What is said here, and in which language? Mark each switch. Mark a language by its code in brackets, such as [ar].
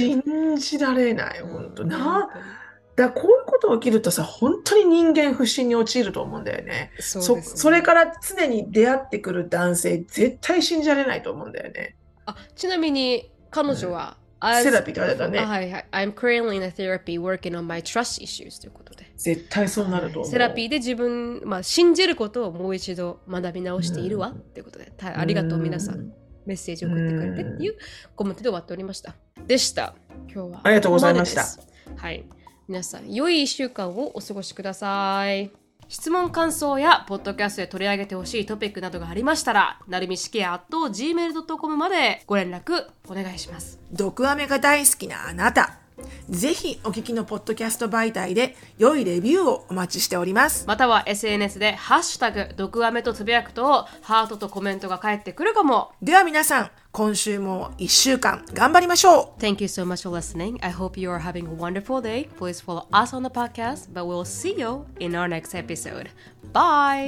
[ja] よ信じられない本当な、うん、だこういうことが起きるとさ本当に人間不信に陥ると思うんだよ ね、そ、 うですね それから常に出会ってくる男性絶対信じられないと思うんだよねあちなみに彼女は、うん、セラピーって言われたね、はいはい、 [en] I'm currently in a therapy working on my trust issues [ja] ということで絶対そうなると思う、はい、セラピーで自分、まあ、信じることをもう一度学び直しているわ、うん、っていうことでありがとう皆さんメッセージ送ってくれてっていうコメントで終わっておりましたでした今日はありがとうございましたはい皆さん良い1週間をお過ごしください質問感想やポッドキャストで取り上げてほしいトピックなどがありましたらなるみしけgmail.comまでご連絡お願いします毒アメが大好きなあなたぜひお聞きのポッドキャスト媒体で良いレビューをお待ちしておりますまたは SNS でハッシュタグ毒アメとつぶやくとハートとコメントが返ってくるかもでは皆さん今週も1週間頑張りましょう [en] Thank you so much for listening I hope you are having a wonderful day Please follow us on the podcast But we'll see you in our next episode Bye